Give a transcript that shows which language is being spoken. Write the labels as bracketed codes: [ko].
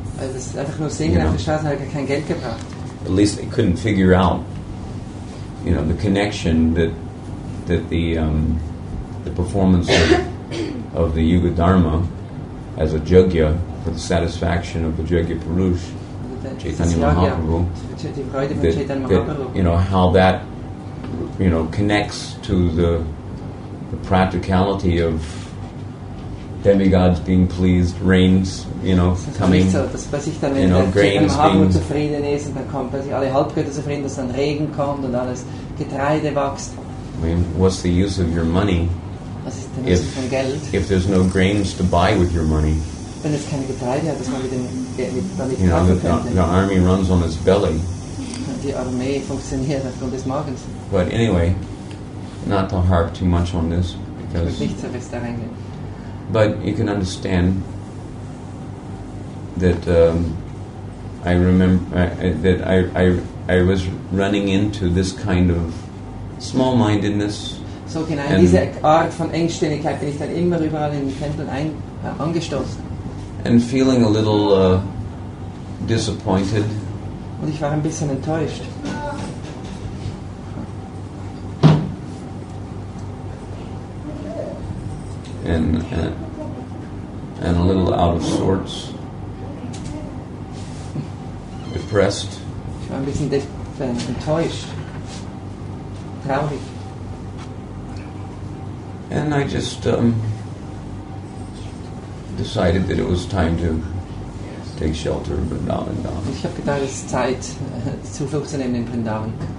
[en] At least it couldn't figure out, you know, the connection that the performance of the Yuga Dharma as a Jogya for the satisfaction of the Jogya Purush, Chaitanya Mahaprabhu, how that connects to the practicality of demigods being pleased, rains, you know, coming, grains being... [de] Zufrieden ist und dann kommt plötzlich alle Halbgötter zufrieden, dass dann Regen kommt und alles Getreide wächst. [en] I mean, what's the use of your money if there's no grains to buy with your money? [de] Wenn es keine Getreide hat, dass man mit [en] you know, the army runs on its belly. [de] Die Armee funktioniert aufgrund des Magens. [en] But anyway, not to harp too much on this, because... [de] Nicht so fest daran gehen. [en] But you can understand that I was running into this kind of small-mindedness. [de] So genau, diese Art von Engstirnigkeit bin ich dann immer überall in den Tempeln angestoßen. [en] And feeling a little disappointed. [de] Und ich war ein bisschen enttäuscht. [en] And a little out of sorts. Depressed. [de] Ich war ein bisschen enttäuscht. Traurig. [en] And I just decided that it was time to take shelter in Vrindavan. [de] Ich habe gedacht, es ist Zeit, Zuflucht zu nehmen in Vrindavan.